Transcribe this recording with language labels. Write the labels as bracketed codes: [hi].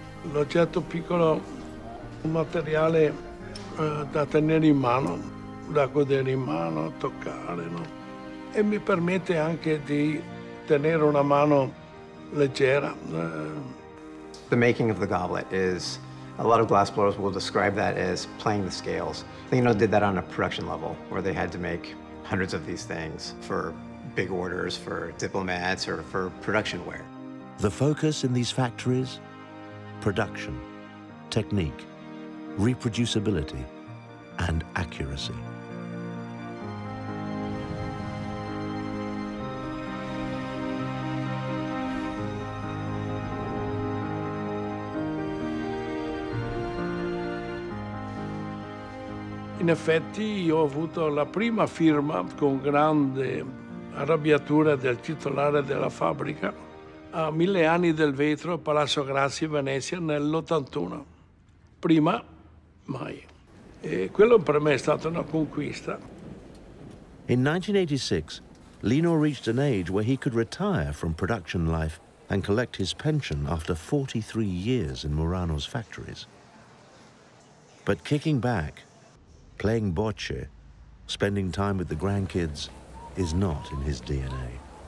[it] L'oggetto piccolo è un materiale da tenere in mano, da godere in mano, toccare, no? E mi permette anche di tenere una mano leggera. [en] The making of the goblet is, a lot of glassblowers will describe that as playing the scales. Lino did that on a production level where they had to make hundreds of these things for big orders, for diplomats, or for production wear. The focus in these factories, production, technique, reproducibility, and accuracy. [it] In effetti io ho avuto la prima firma con grande arrabbiatura del titolare della fabbrica a 1000 anni del vetro, Palazzo Grassi, Venezia, nell'81. Prima, mai. E quello per me è stata una conquista. [en] In 1986, Lino reached an age where he could retire from production life and collect his pension after 43 years in Murano's factories. But kicking back, playing bocce, spending time with the grandkids, is not in his DNA.